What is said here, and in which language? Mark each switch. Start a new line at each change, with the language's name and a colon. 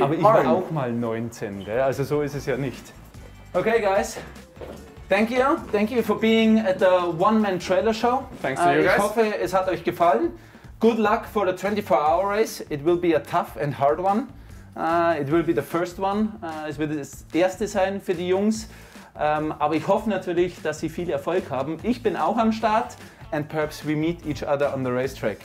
German: aber ich war auch mal 19, gell? Also so ist es ja nicht.
English: Okay, guys. Thank you. Thank you for being at the One-Man Trailer Show. Thanks to you
German: ich
English: guys.
German: Ich hoffe, es hat euch gefallen.
English: Good luck for the 24-hour race. It will be a tough and hard one. It will be the first one.
German: Es wird das erste sein für die Jungs. Aber ich hoffe natürlich, dass sie viel Erfolg haben. Ich bin auch am Start.
English: And perhaps we meet each other on the racetrack.